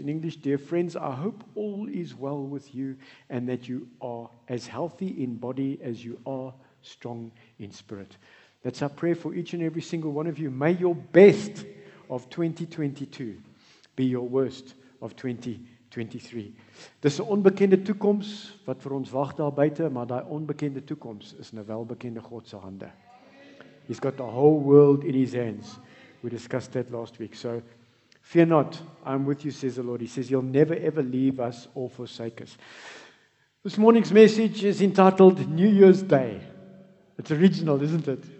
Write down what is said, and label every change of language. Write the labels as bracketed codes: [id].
[en] In English, dear friends, I hope all is well with you and that you are as healthy in body as you are strong in spirit. That's our prayer for each and every single one of you. May your best of 2022 be your worst of 2023. [af] Dis 'n onbekende toekoms wat vir ons wag daar buite, maar daai onbekende toekoms is nou wel bekende God se hande. [en] He's got the whole world in his hands. We discussed that last week. So, fear not, I'm with you, says the Lord. He says, you'll never ever leave us or forsake us. This morning's message is entitled New Year's Day. It's original, isn't it?